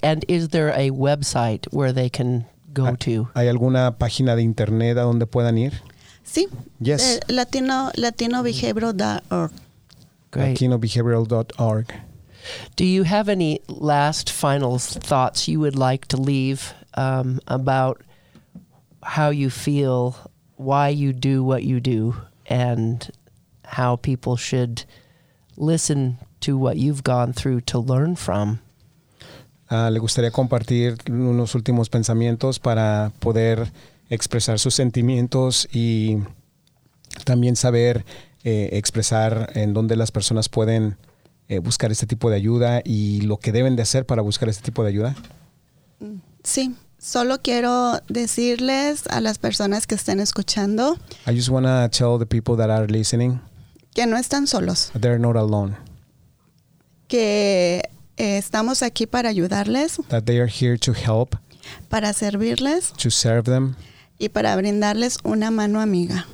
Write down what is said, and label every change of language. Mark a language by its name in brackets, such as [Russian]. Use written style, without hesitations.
[English] And is there a website where they can go to? [Spanish] ¿Hay alguna página de internet a donde puedan ir? Sí. [English] Yes. Latinobehavioral.org. Great. Latinobehavioral.org. Do you have any last final thoughts you would like to leave about how you feel, why you do what you do, and how people should listen to what you've gone through to learn from? [Spanish] Le gustaría compartir unos últimos pensamientos para poder expresar sus sentimientos y también saber expresar en dónde las personas pueden buscar este tipo de ayuda y lo que deben de hacer para buscar este tipo de ayuda. Sí, solo quiero decirles a las personas que estén escuchando. [English] I just want to tell the people that are listening. [Spanish] Que no están solos. [English] They're not alone. [Spanish] Que estamos aquí para ayudarles. [English] That they are here to help. [Spanish] Para servirles. [English] To serve them. [Spanish] Y para brindarles una mano amiga.